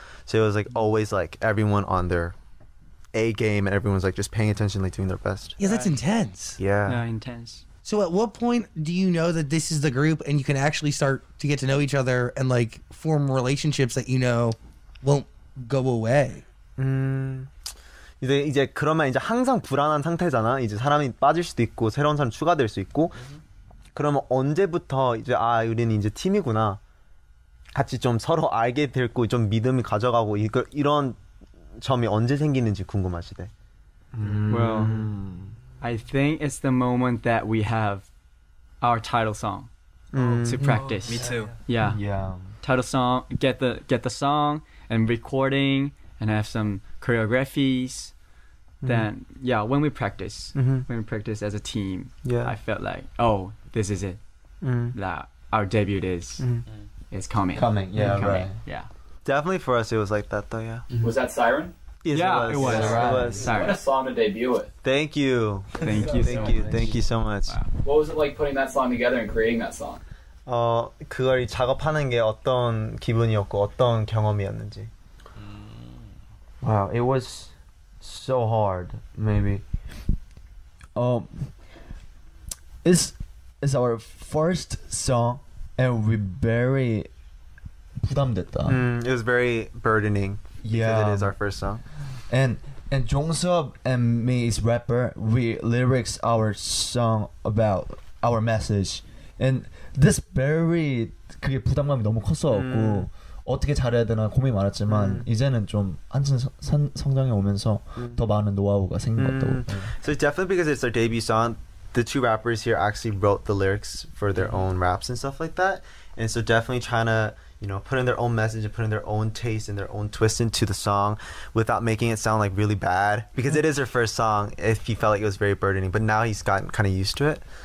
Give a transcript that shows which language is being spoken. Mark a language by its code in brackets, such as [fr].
[en] So it was like always like everyone on their A game and everyone's like just paying attention, like doing their best. Yeah, that's intense. Yeah. Yeah, intense. So at what point do you know that this is the group and you can actually start to get to know each other and like form relationships that you know won't go away? Mm, [ko] 이제 이제 그러면 이제 항상 불안한 상태잖아. 이제 사람이 빠질 수도 있고 새로운 사람 추가될 수 있고. 그러면 언제부터 이제 아 우리는 이제 팀이구나. 같이 좀 서로 알게 되고 좀 믿음을 가져가고 이거 이런 점이 언제 생기는지 궁금하시대. [en] Well, I think it's the moment that we have our title song to practice. Oh, me too. Yeah. Yeah. Title song, get the song and recording and have some choreographies. Then yeah, when we practice, when we practice as a team, yeah. I felt like, oh, this is it. That our debut is. It's coming. Coming, yeah, coming. Right. Yeah. Definitely for us, it was like that, though, yeah. Was that Siren? Yes, yeah, it was. It was. Siren. What a song to debut with. Thank you. Thank you so thank much. You. Thank you so much. Wow. What was it like putting that song together and creating that song? [ko] 그걸 작업하는 게 어떤 기분이었고 어떤 경험이었는지. [en] Wow, it was so hard, maybe. It's our first song. And we very [ko] 부담됐다. [en] It was very burdening because it is our first song. And Jongseop and me is rapper. We lyrics our song about our message. And this very [ko] 그게 부담감이 너무 컸었고 어떻게 잘해야 되나 고민이 많았지만 이제는 좀 한층 성장해 오면서 더 많은 노하우가 생긴 것 같다고. [en] So definitely because it's our debut song. The two rappers here actually wrote the lyrics for their own raps and stuff like that. And so definitely trying to, you know, put in their own message and put in their own taste and their own twist into the song without making it sound like really bad. Because it is their first song, if he felt like it was very burdening. But now he's gotten kind of used to it.